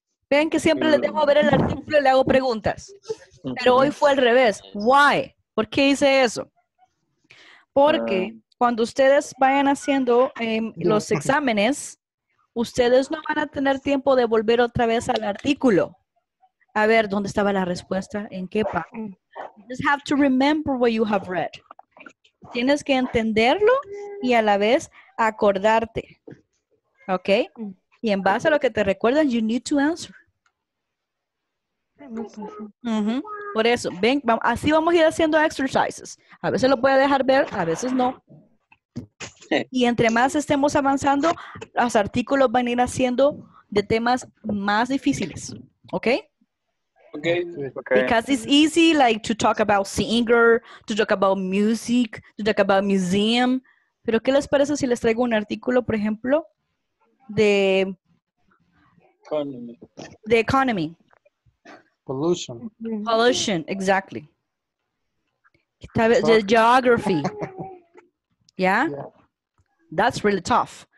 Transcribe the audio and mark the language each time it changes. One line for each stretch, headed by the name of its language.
Spanish: Vean que siempre les dejo ver el artículo y le hago preguntas. Pero hoy fue al revés. Why? ¿Por qué hice eso? Porque cuando ustedes vayan haciendo los exámenes, ustedes no van a tener tiempo de volver otra vez al artículo. A ver, ¿dónde estaba la respuesta? ¿En qué pa?
English: You just have to remember what you have read.
Spanish: Tienes que entenderlo y a la vez acordarte. ¿Ok? Y en base a lo que te recuerdan,
English: you need to answer.
Spanish: Por eso, ven, así vamos a ir haciendo exercises. A veces lo voy a dejar ver, a veces no. Y entre más estemos avanzando, los artículos van a ir haciendo de temas más difíciles. ¿Ok?
English: Okay. Because it's easy, like, to talk about singer, to talk about music, to talk about museum.
Spanish: Pero, ¿qué les parece si les traigo un artículo, por ejemplo, de...
English: economy. The economy. Pollution. Pollution, exactly. The geography. Yeah? That's really tough.